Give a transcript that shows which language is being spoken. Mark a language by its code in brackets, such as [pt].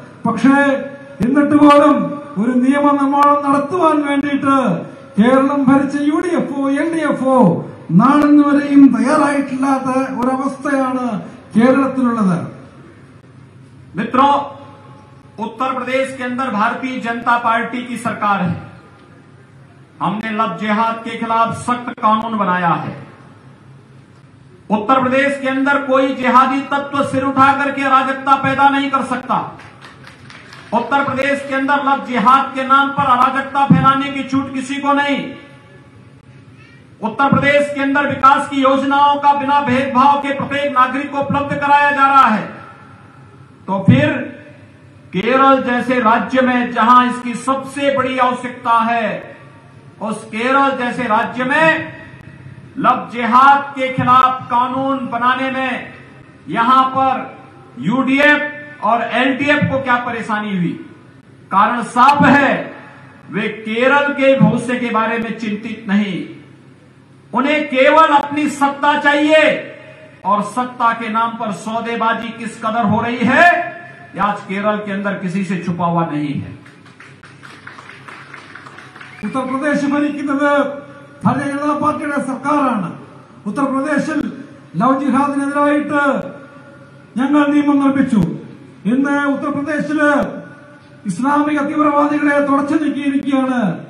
[ml] പക്ഷേ എന്നിട്ട് പോലും ഒരു നിയമനിർമ്മാണം നടത്തുവാൻ വേണ്ടിയിട്ട് കേരളം ഭരിച്ച യുഡിഎഫോ എൽഡിഎഫോ നാളെന്നുവരെയും തയ്യാറായിട്ടില്ലാത്ത ഒരവസ്ഥയാണ് കേരളത്തിലുള്ളത്. [hi] മിത്രോ ഉത്തർപ്രദേശ് കേന്ദർ ഭാരതീയ ജനതാ പാർട്ടി കി സർക്കാർ ഹൈ. हमने लव जिहाद के खिलाफ सख्त कानून बनाया है. उत्तर प्रदेश के अंदर कोई जिहादी तत्व सिर उठाकर के अराजकता पैदा नहीं कर सकता. उत्तर प्रदेश के अंदर लव जिहाद के नाम पर अराजकता फैलाने की छूट किसी को नहीं. उत्तर प्रदेश के अंदर विकास की योजनाओं का बिना भेदभाव के प्रत्येक नागरिक को उपलब्ध कराया जा रहा है. तो फिर केरल जैसे राज्य में जहां इसकी सबसे बड़ी आवश्यकता है, उस केरल जैसे राज्य में लव जिहाद के खिलाफ कानून बनाने में यहां पर यूडीएफ और एलडीएफ को क्या परेशानी हुई? कारण साफ है, वे केरल के भविष्य के बारे में चिंतित नहीं. उन्हें केवल अपनी सत्ता चाहिए और सत्ता के नाम पर सौदेबाजी किस कदर हो रही है यह आज केरल के अंदर किसी से छुपा हुआ नहीं है. [ml] ഉത്തർപ്രദേശ് ഭരിക്കുന്നത് ഭാരതീയ ജനതാ പാർട്ടിയുടെ സർക്കാരാണ്. ഉത്തർപ്രദേശിൽ ലവ് ജിഹാദിനെതിരായിട്ട് ഞങ്ങൾ നിയമം നിർമ്മിച്ചു. ഇന്ന് ഉത്തർപ്രദേശില് ഇസ്ലാമിക തീവ്രവാദികളെ തുടച്ചു നീക്കിയിരിക്കുകയാണ്.